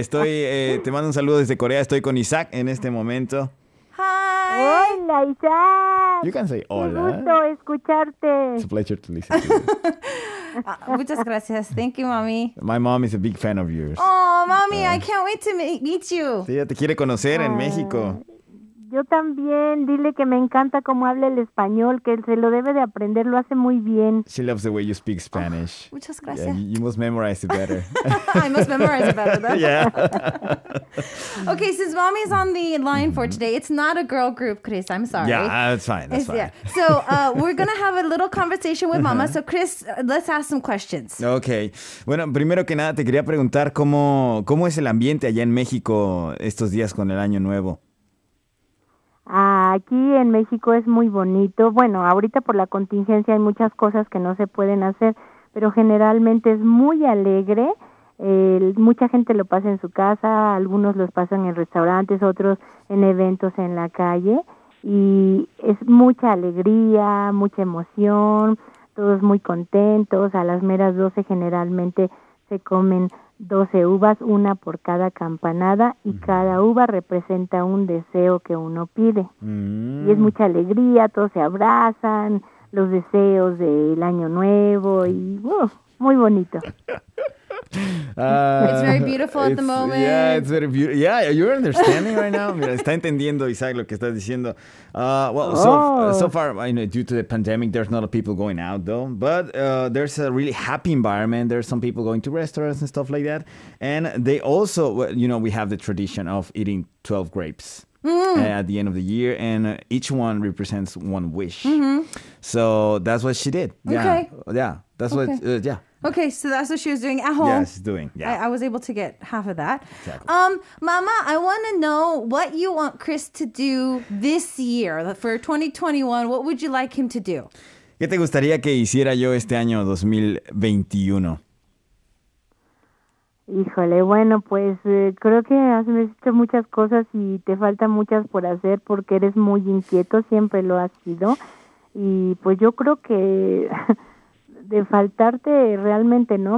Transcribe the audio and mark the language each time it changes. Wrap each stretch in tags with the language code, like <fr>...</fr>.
<es>Estoy, te mando un saludo desde Corea. Estoy con Isaac en este momento.</es> <en>Hi.</en> <es>Hola, Isaac.</es> <en>You can say hola.</en> <es>Qué gusto escucharte.</es> <en>It's a pleasure to listen to you.</en> <es>Muchas gracias.</es> <en>Thank you, mommy. My mom is a big fan of yours. Oh, mommy, I can't wait to meet you.</en> <es>Sí, ella te quiere conocer en México. Yo también. Dile que me encanta cómo habla el español, que se lo debe de aprender. Lo hace muy bien.</es> <en>She loves the way you speak Spanish.</en> <es>Oh, muchas gracias.</es> <en>Yeah, you must memorize it better. I must memorize it better, though. Yeah. Okay, since mommy's on the line for today, it's not a girl group, Chris. I'm sorry. Yeah, it's fine. That's fine. Yeah. So we're going to have a little conversation with mama. So, Chris, let's ask some questions. Okay.</en> <es>Bueno, primero que nada, te quería preguntar cómo es el ambiente allá en México estos días con el Año Nuevo. Aquí en México es muy bonito. Bueno, ahorita por la contingencia hay muchas cosas que no se pueden hacer, pero generalmente es muy alegre. Mucha gente lo pasa en su casa, algunos los pasan en restaurantes, otros en eventos en la calle. Y es mucha alegría, mucha emoción, todos muy contentos. A las meras 12 generalmente se comen 12 uvas, una por cada campanada, y cada uva representa un deseo que uno pide. Y es mucha alegría, todos se abrazan, los deseos del Año Nuevo, y muy bonito.</es> <en>It's very beautiful at the moment. Yeah, it's very beautiful. Yeah, you're understanding right now.</en> <es>Mira, está entendiendo, Isaac, lo que estás diciendo.</es> <en>Well, so far, you know, due to the pandemic, there's not a people going out, though. But there's a really happy environment. There's some people going to restaurants and stuff like that. And they also, you know, we have the tradition of eating 12 grapes at the end of the year. And each one represents one wish. So that's what she did. Okay. Yeah, that's okay. Okay, so that's what she was doing at home. Yes, doing. Yeah, I was able to get half of that. Exactly. Mama, I want to know what you want Chris to do this year for 2021. What would you like him to do?</en> <es>¿Qué te gustaría que hiciera yo este año 2021? Híjole, bueno, pues creo que has hecho muchas cosas y te faltan muchas por hacer porque eres muy inquieto, siempre lo has sido. Y pues yo creo que de faltarte realmente, ¿no?</es>